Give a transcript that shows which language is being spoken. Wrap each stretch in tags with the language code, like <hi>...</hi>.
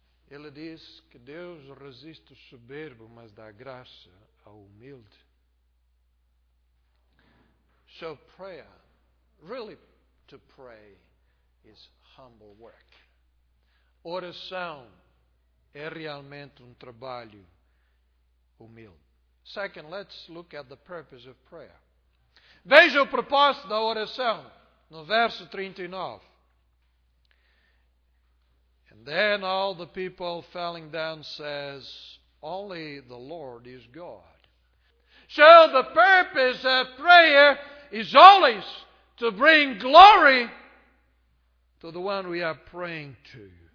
<pt>Ele diz que Deus resiste o soberbo, mas dá graça ao humilde.</pt> <en>So prayer, really to pray, is humble work.</en> <pt>Oração é realmente trabalho humilde.</pt> <en>Second, let's look at the purpose of prayer.</en> <pt>Veja o propósito da oração no verso 39.</pt> <en>And then all the people falling down says, only the Lord is God. So the purpose of prayer is always to bring glory to the one we are praying to.</en>